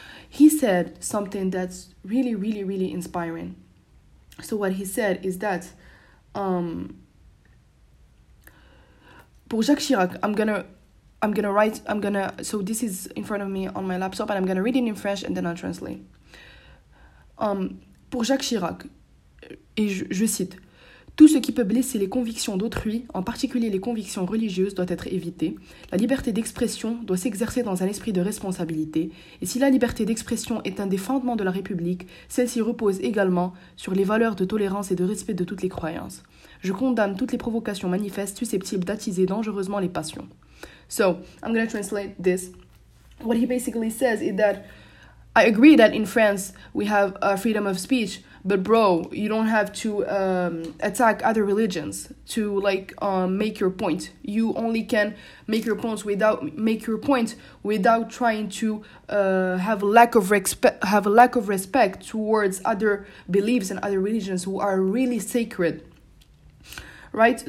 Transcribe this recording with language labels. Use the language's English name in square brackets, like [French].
[English] He said something that's really, really, really inspiring. So what he said is that, for Jacques Chirac, I'm gonna write, so this is in front of me on my laptop, and I'm gonna read it in French and then I'll translate. [French] Pour Jacques Chirac, et je cite, tout ce qui peut blesser les convictions d'autrui, en particulier les convictions religieuses, doit être évité. La liberté d'expression doit s'exercer dans un esprit de responsabilité. Et si la liberté d'expression est un des fondements de la République, celle-ci repose également sur les valeurs de tolérance et de respect de toutes les croyances. Je condamne toutes les provocations manifestes susceptibles d'attiser dangereusement les passions. [English] So, I'm going to translate this. What he basically says is that I agree that in France we have a freedom of speech, but bro, you don't have to attack other religions to make your point. You only can make your point without trying to have a lack of respect towards other beliefs and other religions who are really sacred. Right?